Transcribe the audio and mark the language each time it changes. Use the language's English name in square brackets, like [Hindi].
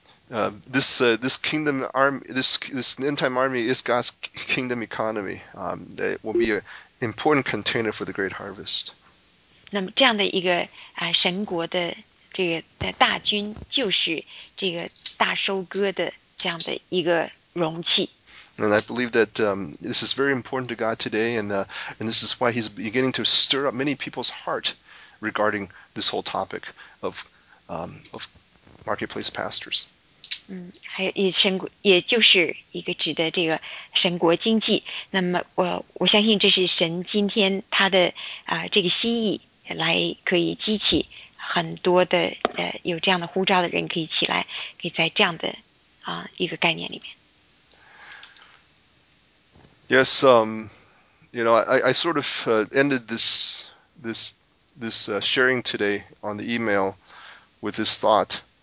[English] This kingdom army, this end time army is God's kingdom economy. That will be an important container for the great harvest. [Chinese] 那么这样的一个神国的这个大军，就是这个大收割的这样的一个容器。 [English] And I believe that this is very important to God today, and this is why he's beginning to stir up many people's heart regarding this whole topic of marketplace pastors. [Chinese] 也就是一个指的这个神国经济，那么我相信这是神今天他的这个心意来可以激起很多的有这样的呼召的人可以起来，可以在这样的一个概念里面。 [English] Yes, I sort of ended this sharing today on the email with this thought.